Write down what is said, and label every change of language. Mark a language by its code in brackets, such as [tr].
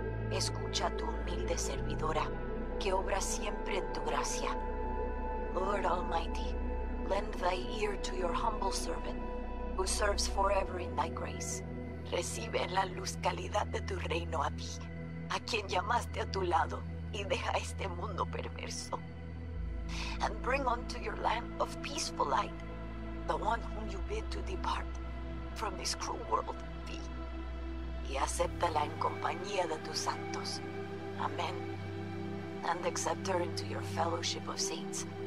[es] Escucha tu humilde servidora, que obra siempre en tu gracia. [en] Lord Almighty, lend thy ear to your humble servant, who serves forever in thy grace. [es] Recibe la luz calidad de tu reino a mí, a quien llamaste a tu lado, y deja este mundo perverso. [en] And bring unto your lamp of peaceful light the one whom you bid to depart from this cruel world, V. [es] Y acéptala en compañía de tus santos. Amen. [en] And accept her into your fellowship of saints.